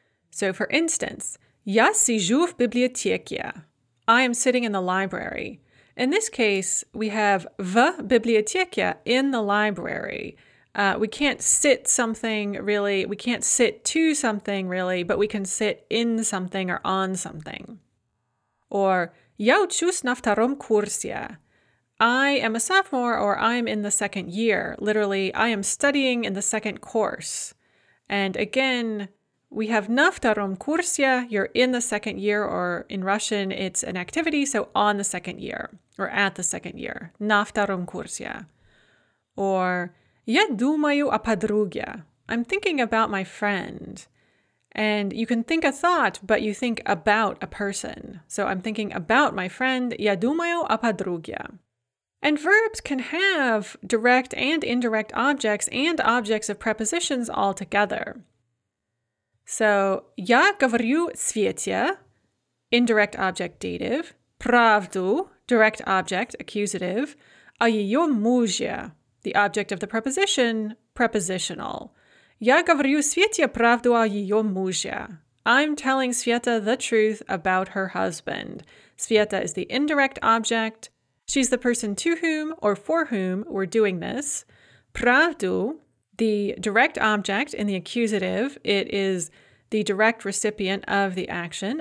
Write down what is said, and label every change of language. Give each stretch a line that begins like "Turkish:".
English: So for instance,
Russian: Я сижу в библиотеке.
English: I am sitting in the library. In this case, we have
Russian: в библиотеке,
English: in the library. We can't sit something really, we can't sit to something really, but we can sit in something or on something. Or
Russian: Я учусь на втором курсе.
English: I am a sophomore or I'm in the second year. Literally, I am studying in the second course. And again, we have
Russian: на втором курсе,
English: you're in the second year, or in Russian, it's an activity, so on the second year, or at the second year.
Russian: На втором курсе.
English: Or
Russian: я думаю о подруге.
English: I'm thinking about my friend. And you can think a thought, but you think about a person. So I'm thinking about my friend,
Russian: я думаю о подруге.
English: And verbs can have direct and indirect objects and objects of prepositions all together. So,
Russian: я говорю Свете,
English: indirect object dative,
Russian: правду,
English: direct object accusative,
Russian: о ее муже,
English: the object of the preposition, prepositional.
Russian: Я говорю Свете правду о ее муже.
English: I'm telling Света the truth about her husband. Света is the indirect object. She's the person to whom or for whom we're doing this. Правду, the direct object in the accusative, it is the direct recipient of the action.